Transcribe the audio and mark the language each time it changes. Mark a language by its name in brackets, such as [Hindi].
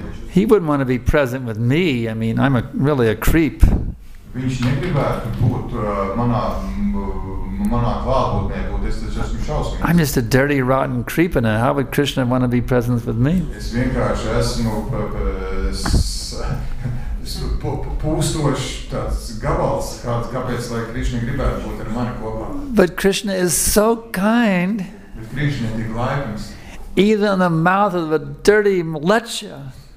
[English] He wouldn't want to be present with me. I mean, I'm really a creep. [Latvian] Viņš negribētu būt manā klātbūtnē, būt es esmu šausmīgs. [English] I'm just a dirty, rotten creeper. How would Krishna want to be present with me? [Latvian] Es vienkārši esmu pūstošs tāds gabals, kāds kāpēc, lai Krishna gribētu būt ar mani kopā. [English] But Krishna is so kind. [Latvian] Bet Krishna ir tik laipns. [English] Even in the mouth of a dirty lecher.